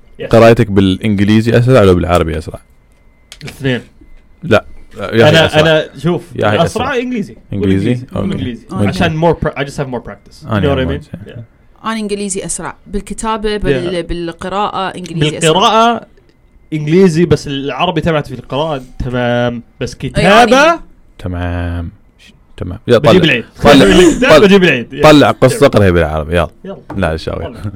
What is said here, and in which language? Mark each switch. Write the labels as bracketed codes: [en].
[ar] قرايتك بالانجليزي اسرع ولا بالعربي اسرع الاثنين لا انا شوف اسرع انجليزي انجليزي عشان مور [en] I just have more practice you know what I mean [ar] انا انجليزي اسرع بالكتابه بالقراءه انجليزي بالقراءه انجليزي بس العربي تبعت في القراءه تمام بس كتابه تمام تمام يلا طلع بجيب العيد طلع قصه قرهي بالعربي يلا لا ان شاء الله